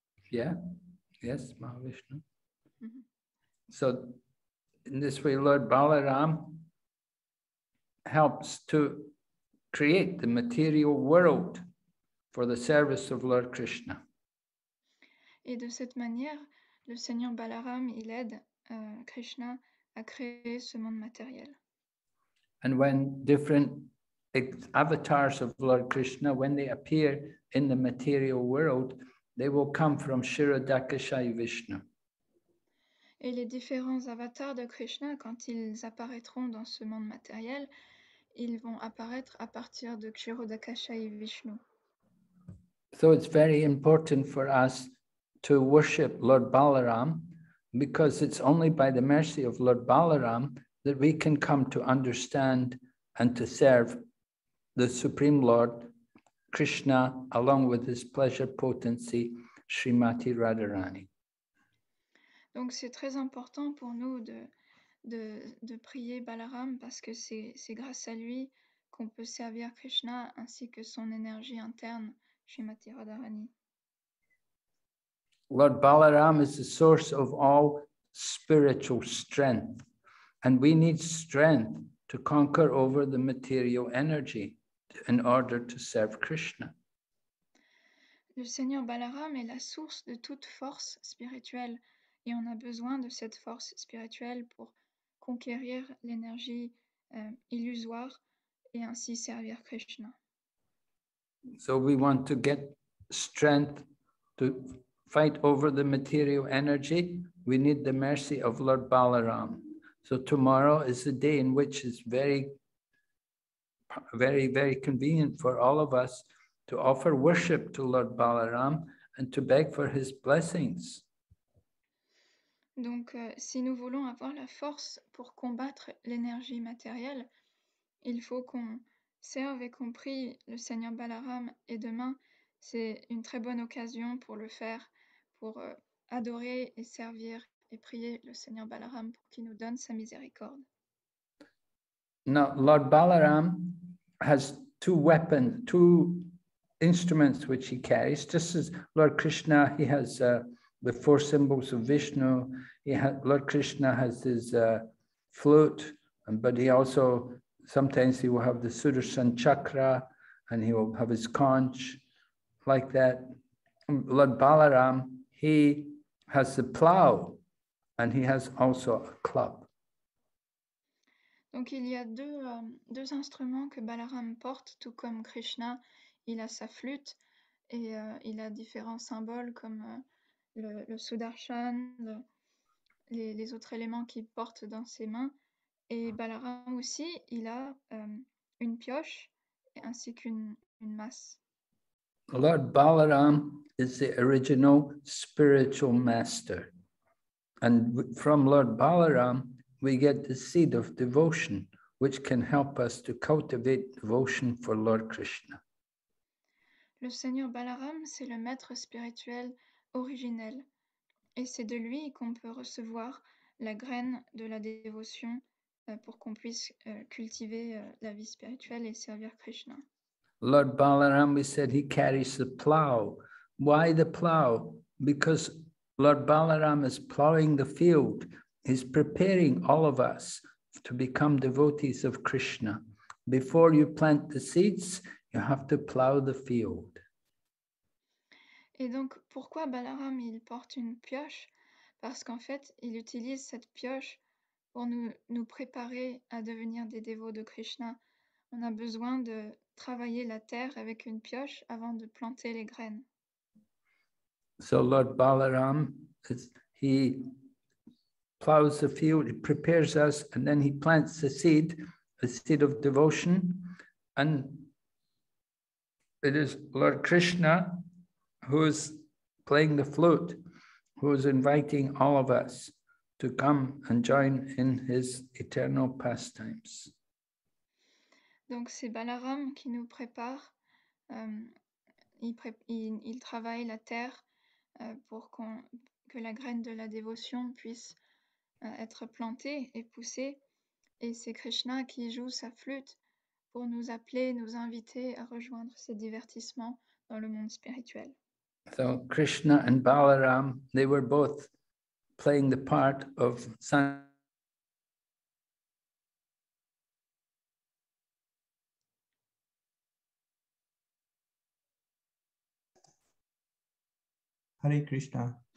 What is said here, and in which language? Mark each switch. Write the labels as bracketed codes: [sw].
[en] Yeah, yes, Mahavishnu. Mm-hmm. So, in this way, Lord Balaram helps to create the material world for the service of Lord Krishna. [fr] Et de cette manière, le Seigneur Balaram, il aide Krishna à créer ce monde matériel. [en] And when different avatars of Lord Krishna, when they appear in the material world, they will come from Shirodakashayi Vishnu. [fr] Et les différents avatars de Krishna, quand ils apparaîtront dans ce monde matériel, ils vont apparaître à partir de Kshirodakashayi Vishnu. [en] So it's very important for us to worship Lord Balaram, because it's only by the mercy of Lord Balaram that we can come to understand and to serve the Supreme Lord Krishna along with his pleasure potency, Srimati Radharani. [fr] Donc c'est très important pour nous de prier Balaram parce que c'est grâce à lui qu'on peut servir Krishna ainsi que son énergie interne, Srimati Radharani. [en] Lord Balaram is the source of all spiritual strength, and we need strength to conquer over the material energy in order to serve Krishna. [fr] Le Seigneur Balaram est la source de toute force spirituelle, et on a besoin de cette force spirituelle pour conquérir l'énergie illusoire et ainsi servir Krishna. [en] So we want to get strength to fight over the material energy, we need the mercy of Lord Balaram. So tomorrow is a day in which it's very, very, very convenient for all of us to offer worship to Lord Balaram and to beg for his blessings. [fr] Donc, si nous voulons avoir la force pour combattre l'énergie matérielle, il faut qu'on serve et qu'on prie le Seigneur Balaram. Et demain, c'est une très bonne occasion pour le faire, pour adorer et servir et prier le Seigneur Balaram pour qu'il nous donne sa miséricorde. [en] Now, Lord Balaram has two weapons, two instruments which he carries. Just as Lord Krishna, he has the four symbols of Vishnu. Lord Krishna has his flute, but he also, sometimes he will have the Sudarshan Chakra and he will have his conch like that. Lord Balaram, he has the plow and he has also a club. [fr] Donc il y a deux instruments que Balaram porte, tout comme Krishna, il a sa flûte et il a différents symboles comme le Sudarshan, les autres éléments qu'il porte dans ses mains. Et Balaram aussi, il a une pioche ainsi qu'une masse. [en] Lord Balaram is the original spiritual master. And from Lord Balaram, we get the seed of devotion, which can help us to cultivate devotion for Lord Krishna. [fr] Le Seigneur Balaram, c'est le maître spirituel originel. Et c'est de lui qu'on peut recevoir la graine de la dévotion pour qu'on puisse cultiver la vie spirituelle et servir Krishna. [en] Lord Balaram, we said he carries the plow. Why the plow? Because Lord Balaram is plowing the field. He's preparing all of us to become devotees of Krishna. Before you plant the seeds, you have to plow the field. [fr] Et donc, pourquoi Balaram, il porte une pioche? Parce qu'en fait, il utilise cette pioche pour nous préparer à devenir des dévots de Krishna. On a besoin de travailler la terre avec une pioche avant de planter les graines. [en] So Lord Balaram, he plows the field, he prepares us, and then he plants the seed of devotion. And it is Lord Krishna who is playing the flute, who is inviting all of us to come and join in his eternal pastimes. [fr] Donc c'est Balaram qui nous prépare, il travaille la terre pour que la graine de la dévotion puisse être plantée et poussée. Et c'est Krishna qui joue sa flûte pour nous appeler, nous inviter à rejoindre ses divertissements dans le monde spirituel. [en] So Krishna and Balaram, they were both playing the part of Hare Krishna.